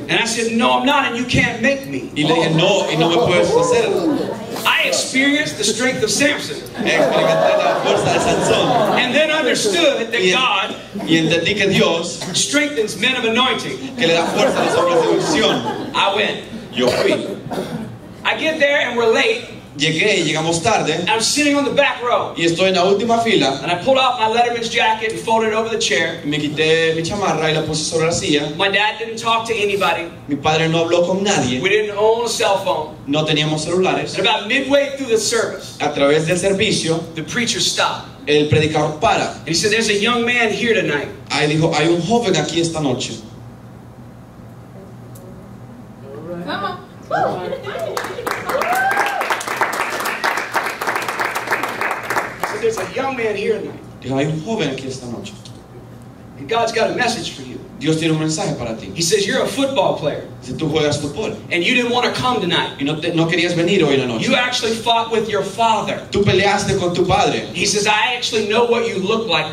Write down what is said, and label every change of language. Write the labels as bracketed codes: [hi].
[en] And I said, "No, I'm not, and you can't make me." [es] Y le dije, "No, y no me puedes hacer." [en] I experienced the strength of Samson. And then understood that God [es] y entendí que Dios [en] strengthens men of anointing. [es] Que le da fuerza a los hombres de unción. [en] I went. [es] Yo fui. [en] I get there and we're late. [es] Llegué y llegamos tarde. [en] I'm sitting on the back row. [es] Y estoy en la última fila. [en] And I pulled off my letterman's jacket and folded it over the chair. [es] Y me quité mi chamarra y la puse sobre la silla. [en] My dad didn't talk to anybody. [es] Mi padre no habló con nadie. [en] We didn't own a cell phone. [es] No teníamos celulares. [en] And about midway through the service, [es] a través del servicio, [en] the preacher stopped. [es] El predicador para. [en] And he said, "There's a young man here tonight." [es] Ahí dijo, "Hay un joven aquí esta noche." [en] All right. Come on. There's a young man here tonight. And God's got a message for you. [es] Dios tiene un mensaje para ti. [en] He says you're a football player. [es] Si tú juegas fútbol. [en] And you didn't want to come tonight. [es] Y no querías venir hoy en la noche. [en] You actually fought with your father. [es] Tú peleaste con tu padre. [en] He says, "I actually know what you look like.